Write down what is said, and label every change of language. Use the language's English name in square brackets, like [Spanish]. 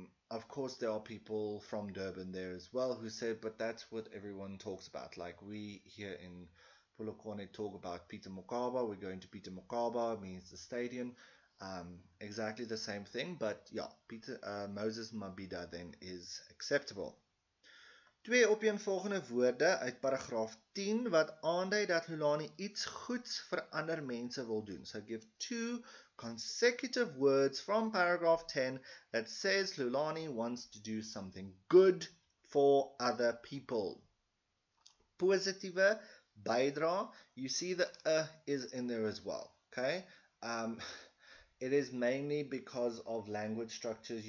[English] Of course, there are people from Durban there as well who said, but that's what everyone talks about. Like we here in Polokwane talk about Peter Mokaba. We're going to Peter Mokaba, means the stadium. Exactly the same thing, but yeah, Peter Moses Mabhida then is acceptable. [Afrikaans] Twee opeenvolgende woorde uit paragraaf 10 wat aandui dat Julani iets goeds vir ander mense wil doen. [English] So give two consecutive words from paragraph 10 that says Julani wants to do something good for other people. [Afrikaans] Positive bydra. [English] You see the is in there as well. Okay. It is mainly because of language structures.